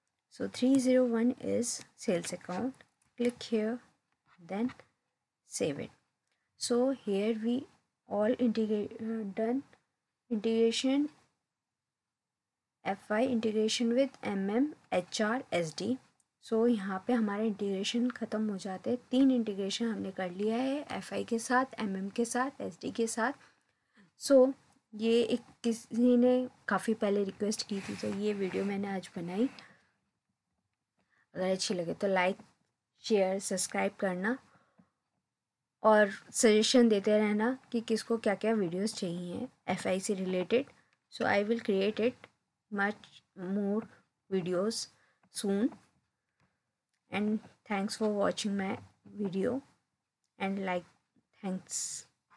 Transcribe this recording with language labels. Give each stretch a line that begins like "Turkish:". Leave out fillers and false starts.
English: So 301 is sales account. Click here, then save it. So here we all done integration. FI integration with HR SD.
Hindi: So यहाँ पर हमारा integration ख़त्म हो जाते हैं. तीन integration हमने कर लिया है FI के साथ, MM के साथ, SD के साथ. So ये एक किसी ने काफ़ी पहले request की थी, तो ये video मैंने आज बनाई. अगर अच्छी लगे तो like, share, subscribe करना और suggestion देते रहना कि किसको क्या क्या videos चाहिए FI से related.
English: So I will create it. Much more videos soon, and thanks for watching my video and like thanks.